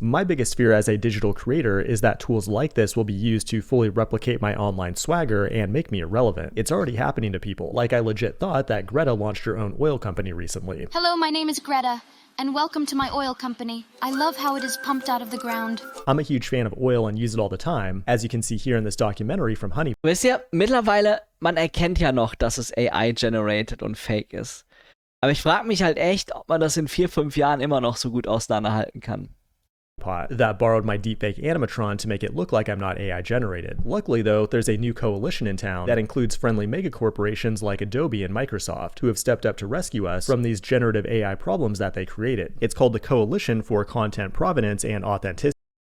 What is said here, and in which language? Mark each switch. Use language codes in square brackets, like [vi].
[en] My biggest fear as a digital creator is that tools like this will be used to fully replicate my online swagger and make me irrelevant. It's already happening to people. Like I legit thought that Greta launched her own oil company recently. Hello, my name is Greta. And welcome to my oil company. I love how it is pumped out of the ground. I'm a huge fan of oil and use it all the time, as you can see here in this documentary from Honey. [de] Wisst ihr, mittlerweile, man erkennt ja noch, dass es AI-generated und fake ist. Aber ich frage mich halt echt, ob man das in 4-5 Jahren immer noch so gut auseinanderhalten kann. [en] Pot that borrowed my deepfake animatron to make it look like I'm not AI generated. Luckily though, there's a new coalition in town that includes friendly mega corporations like Adobe and Microsoft who have stepped up to rescue us from these generative AI problems that they created. It's called the Coalition for Content Provenance and Authenticity.